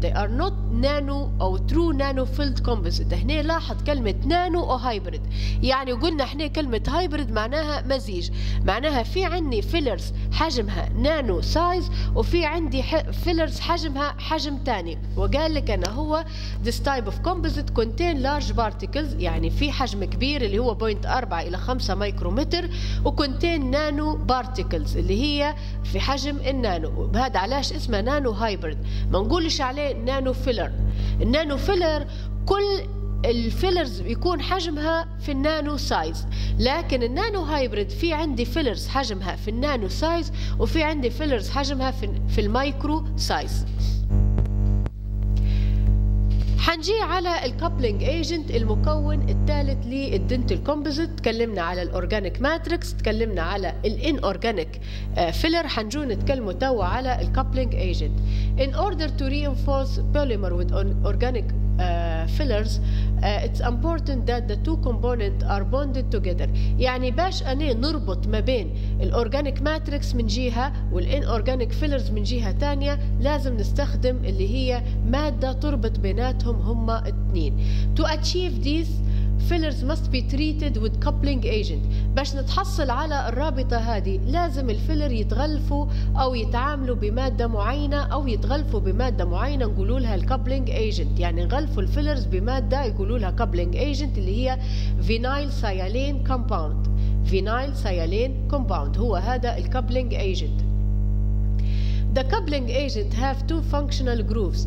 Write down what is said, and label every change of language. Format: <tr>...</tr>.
<en>They are not nano or true nano filled composite.</en> <ar>هنا لاحظ كلمة</ar> <en>nano or hybrid.</en> <ar>يعني قلنا احنا كلمة hybrid معناها مزيج. معناها في عندي fillers حجمها nano size وفي عندي fillers حجمها حجم تاني. وقال لك انه هو</ar> <en>this type of composite contain large particles.</en> <ar>يعني في حجم كبير اللي هو 0.4 إلى 5 micrometer وcontain nano بارتيكلز اللي هي في حجم النانو. وهذا علاش اسمه نانو هايبرد، ما نقولش عليه نانو فيلر. النانو فيلر كل الفيلرز يكون حجمها في النانو سايز، لكن النانو هايبرد في عندي فيلرز حجمها في النانو سايز وفي عندي فيلرز حجمها في المايكرو سايز. حنجي على الكابلينج ايجنت المكون الثالث للدنتال كومبوزيت. تكلمنا على الاورجانيك ماتريكس، تكلمنا على الان اورجانيك فيلر، حنجو نتكلموا توا على الكابلينج ايجنت.</ar> <en>In order to reinforce polymer with organic fillers it's important that the two components are bonded together.</en> <ar>يعني باش أنا نربط ما بين الأورجانيك ماتريكس من جهة والإن أورجانيك فيلرز من جهة تانية لازم نستخدم اللي هي مادة تربط بيناتهم هما اتنين.</ar> <en>To achieve this fillers must be treated with coupling agent.</en> <ar>باش نتحصل على الرابطة هذه لازم الفيلر يتغلفوا أو يتعاملوا بمادة معينة أو يتغلفوا بمادة معينة نقولولها الكابلينج ايجنت، يعني نغلفوا الفيلرز بمادة يقولولها كابلينج ايجنت اللي هي فينايل سيالين كومباوند. فينايل سيالين كومباوند هو هذا الكابلينج ايجنت.</ar> <en>The coupling agent have two functional groups.</en>